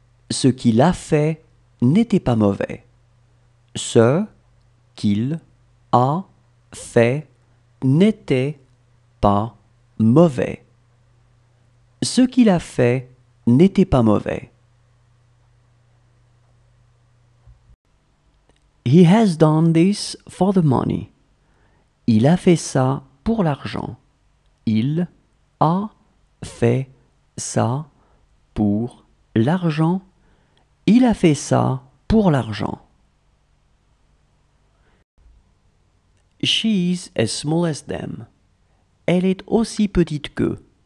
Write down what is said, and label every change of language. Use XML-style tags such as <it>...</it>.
<fr>Ce qu'il a fait n'était pas mauvais. Ce qu'il a fait n'était pas mauvais. Ce qu'il a fait n'était pas mauvais.</fr> <en>He has done this for the money.</en> <fr>Il a fait ça pour l'argent. Il a fait ça pour l'argent. Il a fait ça pour l'argent.</fr> <en>She is as small as them.</en> <fr>Elle est aussi petite qu'eux.</fr>